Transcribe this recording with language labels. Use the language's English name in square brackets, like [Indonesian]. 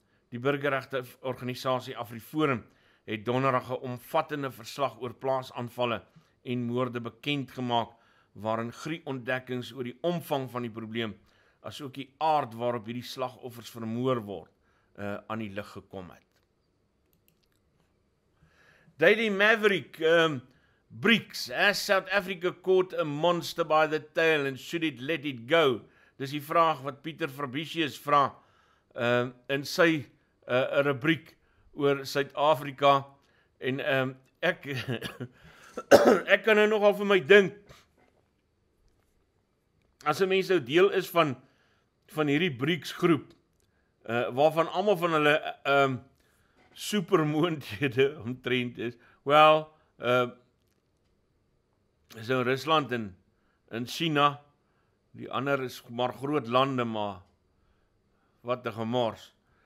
[Afrikaans] Die burgerregte organisasie Afriforum het donderdag 'n omvattende verslag oor plaasaanvalle en moorde bekend gemaak waarin grie ontdekkings oor die omvang van die probleem asook die aard waarop hierdie slagoffers vermoor word aan die lig gekom het. [English] Daily Maverick, Briggs, has South Africa caught a monster by the tail and should it let it go? [Afrikaans] Dis die vraag wat Pieter Fabricius vra in sy rubriek oor Suid-Afrika en ek kan nou nogal vir my dink, as 'n mens nou deel is van hierdie BRICS groep, waarvan almal van hulle supermoondhede omtrent is, wel, is in Rusland en in China, die ander is maar groot lande, maar wat 'n gemors.